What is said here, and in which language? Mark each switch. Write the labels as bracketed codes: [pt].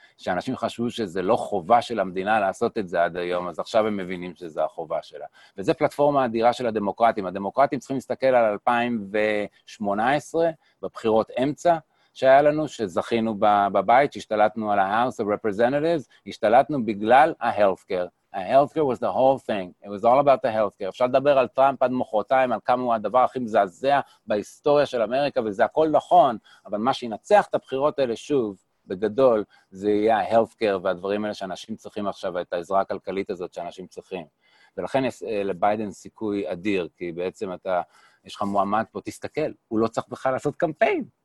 [he] שאנשים חשבו שזה לא חובה של המדינה לעשות את זה עד היום, אז עכשיו הם מבינים שזה החובה שלה. וזה פלטפורמה אדירה של הדמוקרטים. הדמוקרטים צריכים להסתכל על 2018, בבחירות אמצע שהיה לנו, שזכינו בבית, שהשתלטנו על ה-House of Representatives, השתלטנו בגלל ה-Healthcare. [en] ה-Healthcare was the whole thing. It was all about ה-Healthcare. [he] אפשר לדבר על טראמפ עד מוחרתיים, על כמה הוא הדבר הכי מזעזע בהיסטוריה של אמריקה, וזה הכל נכון, אבל מה שינצח את הבחירות האלה שוב, בגדול, זה יהיה ה-Healthcare והדברים האלה שאנשים צריכים עכשיו, את העזרה הכלכלית הזאת שאנשים צריכים. ולכן יש לביידן סיכוי אדיר, כי בעצם אתה, יש לך מועמד פה, תסתכל, הוא לא צריך בכלל לעשות קמפיין.